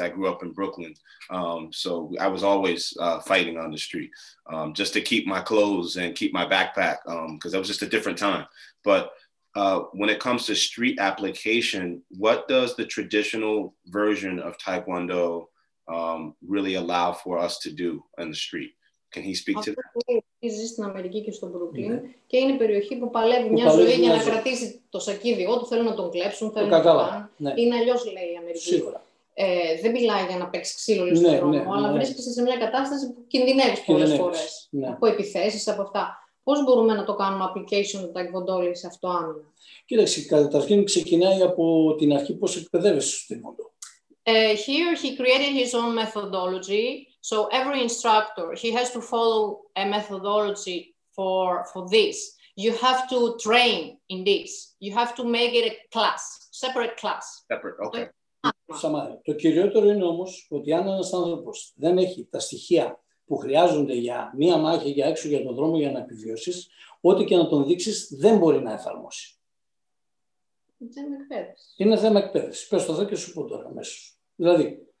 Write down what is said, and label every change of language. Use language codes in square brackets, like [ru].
[en] I grew up in Brooklyn, so I was always fighting on the street just to keep my clothes and keep my backpack, because that was just a different time. But when it comes to street application, what does the traditional version of Taekwondo really allow for us to do in the street? Can he speak to that? [el] Ζει στην Αμερική και στο Brooklyn και είναι η περιοχή που παλεύει μια ζωή για να κρατήσει το σακίδιό του. Θέλουν να τον κλέψουν, θέλουν να τον. Είναι αλλιώς, λέει η Αμερική. Σίγουρα. Δεν μιλάει για να παίξει ξύλο στον δρόμο, αλλά βρίσκεσαι σε μια κατάσταση που κινδυνεύει πολλές φορές. Από επιθέσεις, από αυτά. Πώς μπορούμε να το κάνουμε application του Taekwondo σε αυτό άμυνα? Κοίταξε, καταρχήν ξεκινάει από την αρχή πώς εκπαιδεύεσαι στο Taekwondo. [en] Here he created his own methodology. So every instructor, he has to follow a methodology for this. You have to train in this. You have to make it a class, separate class. Separate, okay. [el] Το κυριότερο είναι όμως ότι αν ένας άνθρωπος δεν έχει τα στοιχεία που χρειάζονται για μία μάχη, για έξω, για τον δρόμο, για να επιβιώσεις, ό,τι και να τον δείξεις, δεν μπορεί να εφαρμόσει. Θέμα εκπαίδευση. Είναι θέμα εκπαίδευση. Πες το και σου πω τώρα αμέσως. Δηλαδή...